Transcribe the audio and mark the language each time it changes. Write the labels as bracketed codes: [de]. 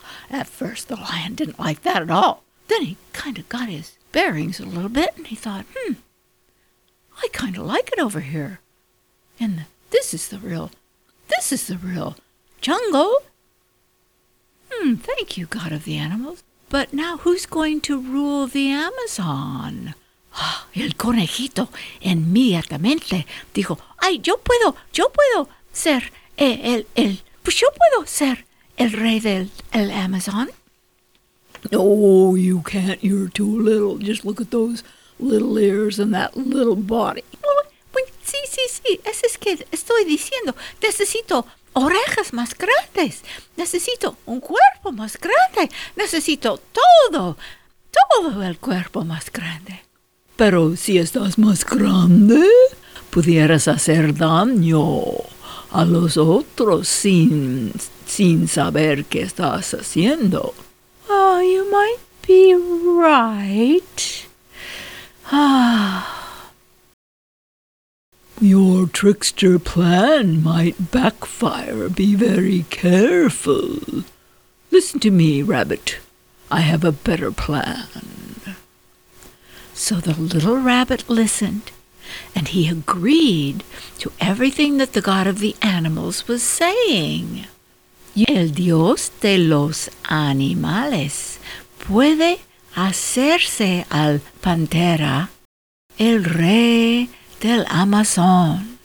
[en] At first the lion didn't like that at all. Then he kind of got his bearings a little bit and he thought, I kind of like it over here. And this is the real jungle. Thank you, God of the animals. But now who's going to rule the Amazon? [es] El conejito inmediatamente dijo, ay, yo puedo ser el rey del el Amazon. [en] No, you can't. You're too little. Just look at those little ears and that little body. [es] Sí. Eso es que estoy diciendo. Necesito orejas más grandes. Necesito un cuerpo más grande. Necesito todo el cuerpo más grande. Pero si estás más grande, pudieras hacer daño a los otros sin saber qué estás haciendo. [en] Oh, you might be right. Your trickster plan might backfire. Be very careful. Listen to me, rabbit. I have a better plan. So the little rabbit listened, and he agreed to everything that the god of the animals was saying. [es] El dios de los animales puede hacerse al pantera, el rey del Amazon.